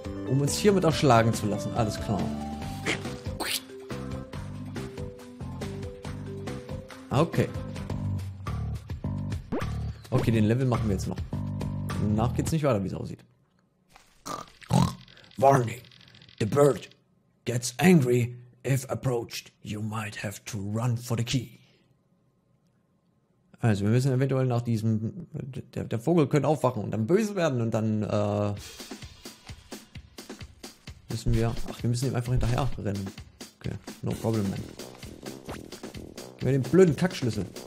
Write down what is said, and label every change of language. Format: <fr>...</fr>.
<de>Um uns hiermit erschlagen zu lassen, alles klar. Okay. Okay, den Level machen wir jetzt noch. Danach geht's nicht weiter, wie es aussieht.</de> <en>Warning! The bird gets angry If approached, you might have to run for the key.</en> <de>Also, wir müssen eventuell nach diesem... Der Vogel könnte aufwachen und dann böse werden und dann, müssen wir... Ach, wir müssen ihm einfach hinterher rennen.</de> <en>Okay, no problem, man.</en> <de>Gib mir den blöden Kackschlüssel.</de>